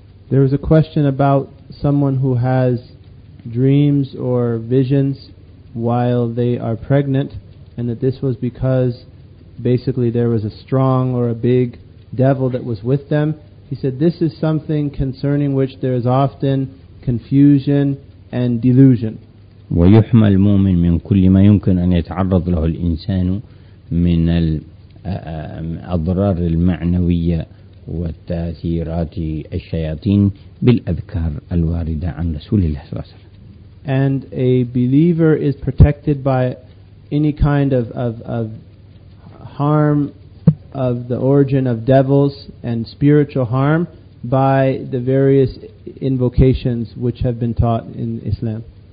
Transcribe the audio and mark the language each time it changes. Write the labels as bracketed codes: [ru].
[en] There was a question about someone who has dreams or visions while they are pregnant, and that this was because basically there was a strong or a big devil that was with them. He said this is something concerning which there is often confusion and delusion. [ar] ويحمى المؤمن من كل ما يمكن أن يتعرض له الإنسان من الأضرار المعنوية وتأثيرات الشياطين بالأذكار الواردة عن رسول الله صلى الله عليه وسلم. [en] And a believer is protected by any kind of harm of the origin of devils and spiritual harm by the various invocations which have been taught in Islam.